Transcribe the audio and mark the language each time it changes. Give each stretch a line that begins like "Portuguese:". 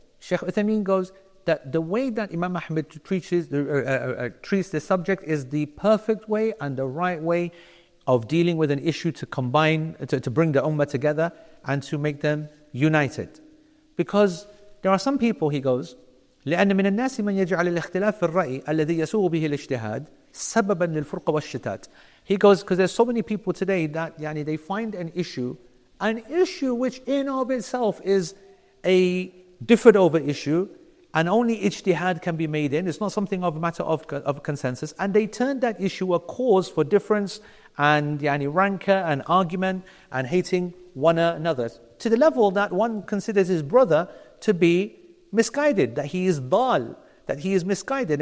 English: Sheikh Uthaymeen goes that the way that Imam Ahmed treats this subject is the perfect way and the right way of dealing with an issue to combine, to bring the Ummah together and to make them united. Because there are some people, he goes,
Arabic: لأن من الناس من يجعل الاختلاف في الرأي الذي يسوغ به الاجتهاد سببا للفرقة والشتات.
English: He goes, because there's so many people today that they find an issue which in of itself is a differed over issue, and only ijtihad can be made in. It's not something of a matter of consensus. And they turn that issue a cause for difference and rancor and argument and hating one another to the level that one considers his brother to be misguided, that he is dal, that he is misguided.